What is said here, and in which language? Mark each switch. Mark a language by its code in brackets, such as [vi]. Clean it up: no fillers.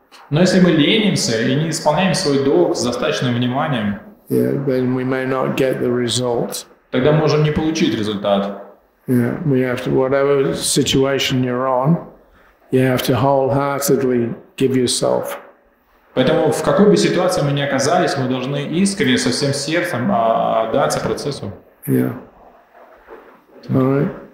[ru] Но если мы ленимся и не исполняем свой долг с достаточным вниманием, [en] yeah, then we may not get the result. [ru] Тогда мы можем не получить результат. [en] Yeah, we have to, whatever situation you're on, you have to wholeheartedly give yourself. [ru] Поэтому в какой бы ситуации мы ни оказались, мы должны искренне со всем сердцем отдаться процессу. [en] Yeah. All right.